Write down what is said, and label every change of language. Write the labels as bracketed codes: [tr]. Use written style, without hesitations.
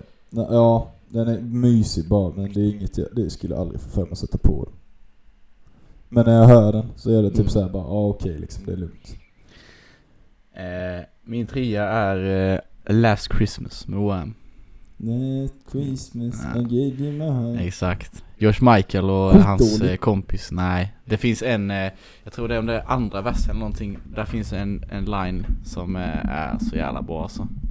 [sv] Ja, den är mysig bara, men det är inget jag, det skulle jag aldrig få för mig att sätta på den. Men när jag hör den så är det typ så här bara, okej, liksom, det är lugnt. Min trea är Last Christmas med OM. [en] Last Christmas, I gave you my heart. [sv] Exakt. George Michael och hans kompis. Nej, det finns en, jag tror det är om det andra versen eller någonting. Där finns en line som är så jävla bra alltså.